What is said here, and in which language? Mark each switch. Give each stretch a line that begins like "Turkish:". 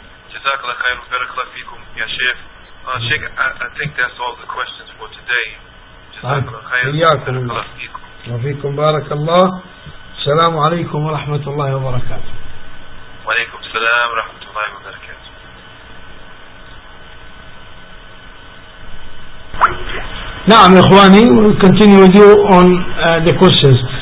Arabic: جزاك الله خير وبارك الله فيكم يا شيخ.
English: شيخ, I think that's all the questions for today.
Arabic: جزاك الله خير وبارك الله فيكم. وفيكم بارك الله. السلام عليكم ورحمة الله وبركاته. وعليكم السلام ورحمة الله وبركاته. نعم إخواني,
English: we'll continue with you on the questions.